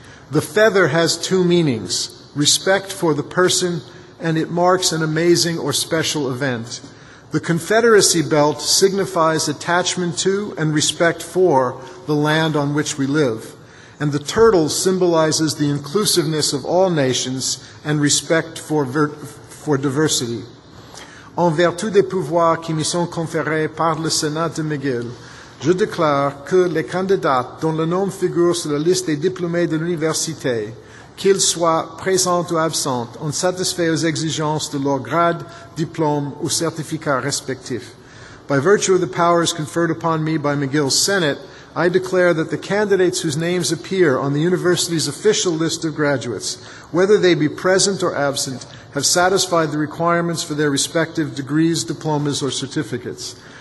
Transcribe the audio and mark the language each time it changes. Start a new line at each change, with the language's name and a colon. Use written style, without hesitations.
English: The feather has two meanings: respect for the person, and it marks an amazing or special event. The Confederacy belt signifies attachment to and respect for the land on which we live. And the turtle symbolizes the inclusiveness of all nations and respect for diversity.
French: En vertu des pouvoirs qui me sont conférés par le Sénat de McGill, je déclare que les candidats dont le nom figure sur la liste des diplômés de l'université, qu'ils soient présents ou absents, ont satisfait aux exigences de leur grade, diplôme ou certificat respectif.
English: By virtue of the powers conferred upon me by McGill's Senate, I declare that the candidates whose names appear on the university's official list of graduates, whether they be present or absent, have satisfied the requirements for their respective degrees, diplomas, or certificates.